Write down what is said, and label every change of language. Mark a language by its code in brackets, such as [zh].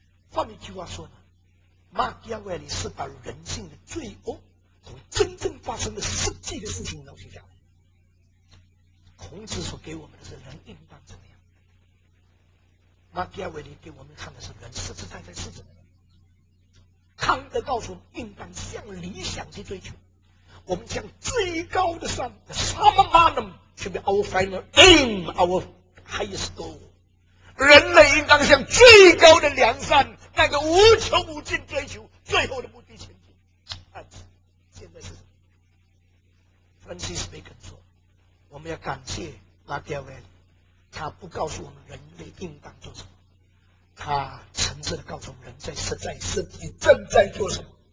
[zh] 换一句话说呢，马基亚维利是把人性的罪恶从真正发生的实际的事情描写下来。孔子所给我们的是人应当怎么样，马基亚维利给我们看的是人实实在在是怎么样。康德告诉我们应当向理想去追求，我们向最高的山 [en] the summer mountain should be our final aim, our highest goal。 [zh] 人类应当向最高的梁山那个无穷无尽追求最后的目的前进。但是现在是什么？Francis Bacon 说我们要感谢 Machiavelli， 他不告诉我们人类应当做什么，他诚实地告诉我们人在实在实际正在做什么。